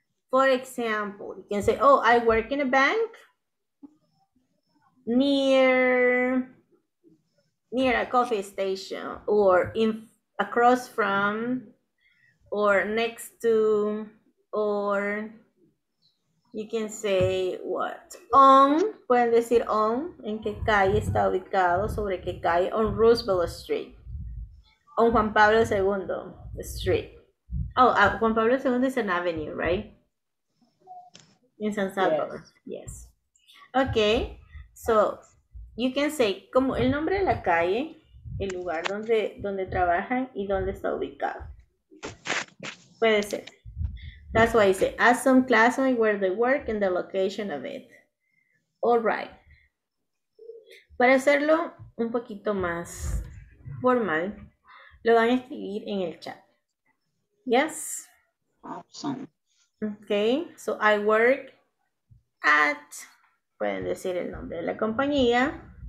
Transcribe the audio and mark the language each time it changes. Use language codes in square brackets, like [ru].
[en] For example, you can say, oh, I work in a bank near a coffee station, or in across from, or next to, or you can say what? [es] On, pueden decir on, en qué calle está ubicado, sobre qué calle, on Roosevelt Street, on Juan Pablo II Street. [en] Oh, Juan Pablo II is an avenue, right? In San Salvador. Yes. Okay. So you can say [es] como el nombre de la calle, el lugar donde trabajan y donde está ubicado. Puede ser. [en] That's why I say ask some classmates where they work and the location of it. All right. [es] Para hacerlo un poquito más formal, lo van a escribir en el chat. [en] Yes. Awesome. Okay. So I work at, [es] pueden decir el nombre de la compañía.